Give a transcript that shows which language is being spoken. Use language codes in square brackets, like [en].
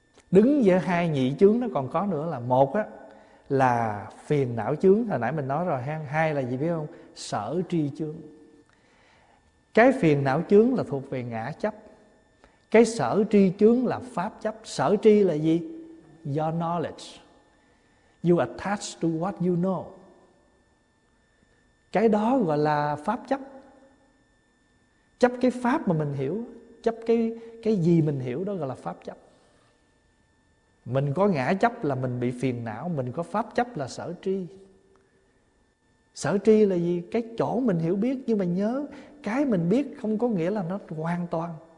[vi] Đứng giữa hai nhị chướng nó còn có nữa là, một á là phiền não chướng, hồi nãy mình nói rồi ha. Hai là gì biết không? Sở tri chướng. Cái phiền não chướng là thuộc về ngã chấp. Cái sở tri chướng là pháp chấp. Sở tri là gì? [en] Your knowledge. You attach to what you know. [vi] Cái đó gọi là pháp chấp. Chấp cái pháp mà mình hiểu. Chấp cái gì mình hiểu đó gọi là pháp chấp. Mình có ngã chấp là mình bị phiền não. Mình có pháp chấp là sở tri. Sở tri là gì? Cái chỗ mình hiểu biết. Nhưng mà nhớ, cái mình biết không có nghĩa là nó hoàn toàn.